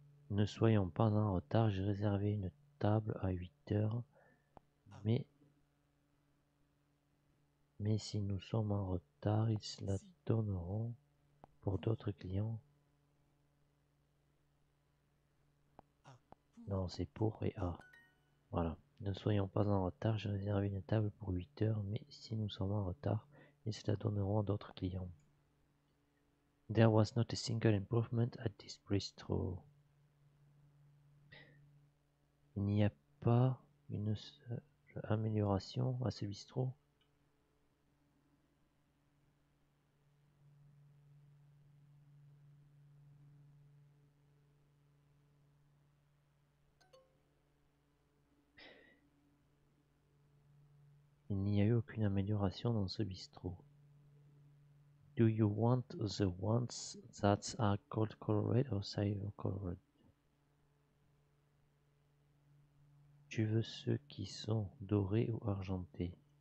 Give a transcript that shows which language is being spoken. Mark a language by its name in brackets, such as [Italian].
[French] Ne soyons pas en retard, j'ai réservé une table à 8 h, mais si nous sommes en retard, ils la donneront pour d'autres clients. Non, c'est pour et à. Voilà. Ne soyons pas en retard, j'ai réservé une table pour 8 h, mais si nous sommes en retard, ils la donneront à d'autres clients. [English] There was not a single improvement at this bistro. [French] Il n'y a pas une seule amélioration à ce bistrot. Il n'y a eu aucune amélioration dans ce bistrot. [English] Do you want the ones that are gold colored or silver colored? [French] Tu veux ceux qui sont dorés ou argentés?